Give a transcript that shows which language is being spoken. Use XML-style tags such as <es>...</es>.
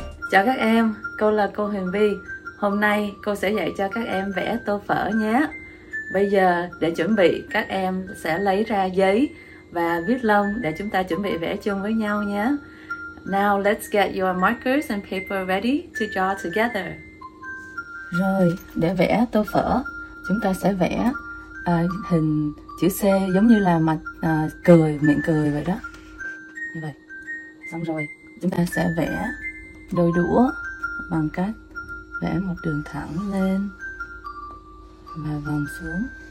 <vi>Chào các em, cô là cô Huyền Vi. Hôm nay cô sẽ dạy cho các em vẽ tô phở nhé. Bây giờ để chuẩn bị, các em sẽ lấy ra giấy và viết lông để chúng ta chuẩn bị vẽ chung với nhau nhé.</vi> <en>Now let's get your markers and paper ready to draw together.</en> <vi>Rồi, để vẽ tô phở, chúng ta sẽ vẽ hình chữ C giống như là mặt cười, miệng cười vậy đó. Như vậy. Xong rồi, chúng ta sẽ vẽ đôi đũa bằng cách vẽ một đường thẳng lên và vòng xuống.</vi>